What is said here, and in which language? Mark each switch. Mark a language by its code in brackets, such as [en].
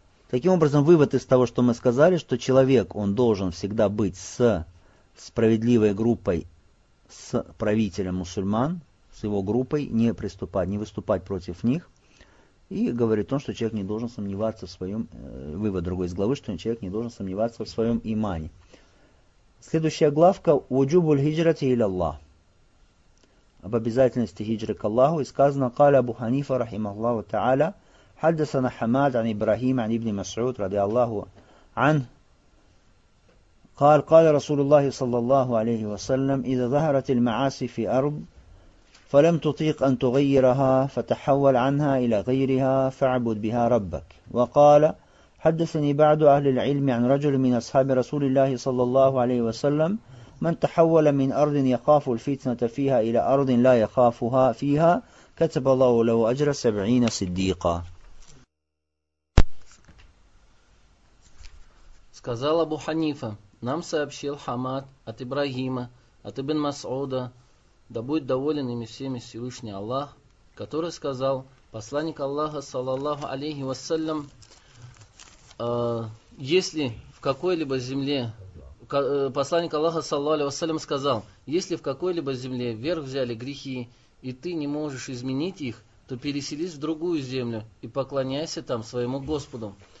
[ru] Таким образом, вывод из того, что мы сказали, что человек, он должен всегда быть с справедливой группой, с правителем мусульман, с его группой, не приступать, не выступать против них. И говорит он, что человек не должен сомневаться в своем, вывод другой из главы, что человек не должен сомневаться в своем имане. Следующая главка, «Уджубуль хиджрати иляллах», об обязательности хиджры к Аллаху, и сказано, [ar] «Каля Абу Ханифа, рахималлаху та'аля», حدثنا حماد عن إبراهيم عن ابن مسعود رضي الله عنه قال قال رسول الله صلى الله عليه وسلم إذا ظهرت المعاصي في أرض فلم تطيق أن تغيرها فتحول عنها إلى غيرها فاعبد بها ربك وقال حدثني بعض أهل العلم عن رجل من أصحاب رسول الله صلى الله عليه وسلم من تحول من أرض يخاف الفتنة فيها إلى أرض لا يخافها فيها كتب الله له أجر 70 صديقا. [ru] Сказал Абу Ханифа, нам сообщил Хамад от Ибрагима, от Ибн Масуда, да будет доволен ими всеми Всевышний Аллах, который сказал, посланник Аллаха, саллаллаху алейхи вассалям, если в какой-либо земле, посланник Аллаха, саллаллаху алейхи вассалям, сказал, если в какой-либо земле вверх взяли грехи, и ты не можешь изменить их, то переселись в другую землю и поклоняйся там своему Господу.